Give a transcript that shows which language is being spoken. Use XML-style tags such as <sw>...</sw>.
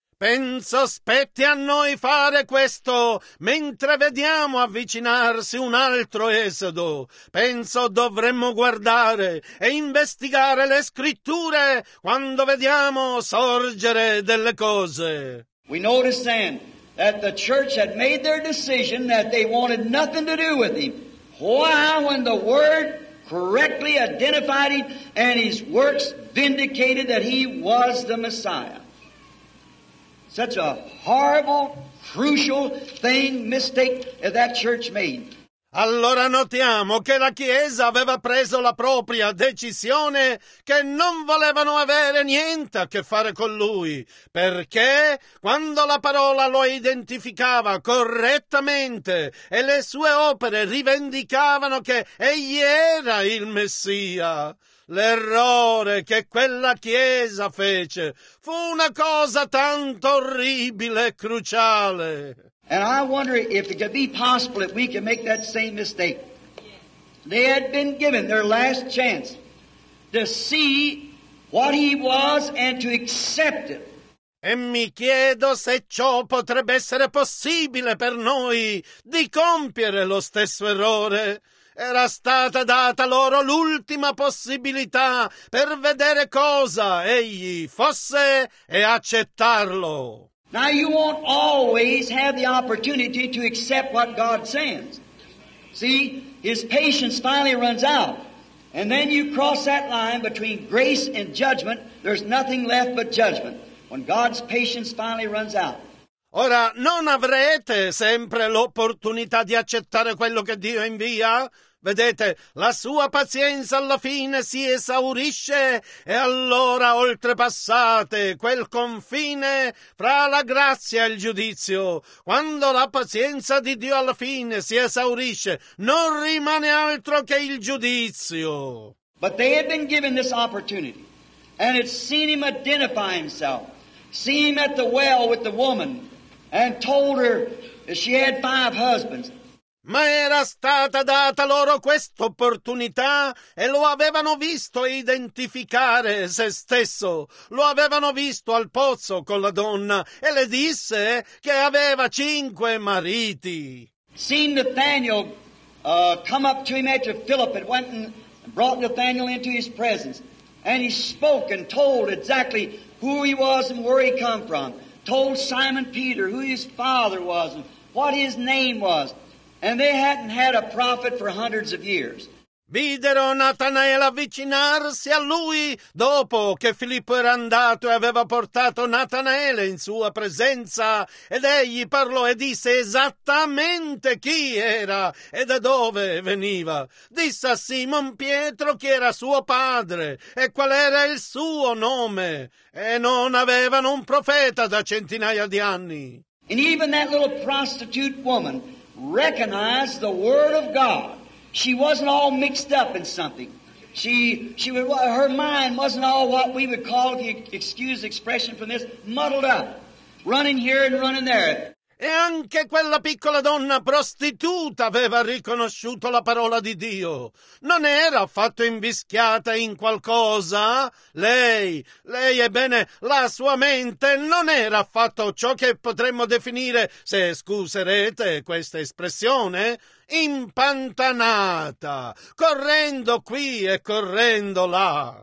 <it>Penso spetti a noi fare questo mentre vediamo avvicinarsi un altro esodo. Penso dovremmo guardare e investigare le scritture quando vediamo sorgere delle cose.</it> <en>We notice then that the church had made their decision that they wanted nothing to do with him. Why, when the word correctly identified him and his works vindicated that he was the Messiah? Such a horrible, crucial thing, mistake that church made.</en> <it>Allora notiamo che la Chiesa aveva preso la propria decisione che non volevano avere niente a che fare con lui, perché quando la parola lo identificava correttamente e le sue opere rivendicavano che egli era il Messia. L'errore che quella chiesa fece fu una cosa tanto orribile e cruciale.</it> <en>And I wonder if it could be possible if we could make that same mistake. They had been given their last chance to see what he was and to accept it.</en> <it>E mi chiedo se ciò potrebbe essere possibile per noi di compiere lo stesso errore. Era stata data loro l'ultima possibilità per vedere cosa egli fosse e accettarlo.</it> <en>Now you won't always have the opportunity to accept what God sends. See, his patience finally runs out. And then you cross that line between grace and judgment. There's nothing left but judgment when God's patience finally runs out.</en> <it>Ora, non avrete sempre l'opportunità di accettare quello che Dio invia? Vedete, la sua pazienza alla fine si esaurisce e allora oltrepassate quel confine fra la grazia e il giudizio. Quando la pazienza di Dio alla fine si esaurisce, non rimane altro che il giudizio.</it> <en>But they had been given this opportunity, and it seen him identify himself, seen him at the well with the woman, and told her that she had 5 husbands.</en> <it>Ma era stata data loro questa opportunità e lo avevano visto identificare se stesso. Lo avevano visto al pozzo con la donna e le disse che aveva 5 mariti.</it> <en>Seen Nathaniel come up to him after Philip had went and brought Nathaniel into his presence. And he spoke and told exactly who he was and where he come from. Told Simon Peter who his father was and what his name was. And they hadn't had a prophet for hundreds of years.</en> <it>Videro Natanael avvicinarsi a lui dopo che Filippo era andato e aveva portato Natanaele in sua presenza, ed egli parlò e disse esattamente chi era e da dove veniva. Disse a Simon Pietro chi era suo padre e qual era il suo nome, e non avevano un profeta da centinaia di anni.</it> <en>And even that little prostitute woman recognized the word of God. She wasn't all mixed up in something. Her mind wasn't all what we would call, the excuse expression from this, muddled up, running here and running there.</en> <it>E anche quella piccola donna prostituta aveva riconosciuto la parola di Dio. Non era affatto invischiata in qualcosa. Lei, ebbene, la sua mente non era affatto ciò che potremmo definire, se scuserete questa espressione, impantanata, correndo qui e correndo là.</it>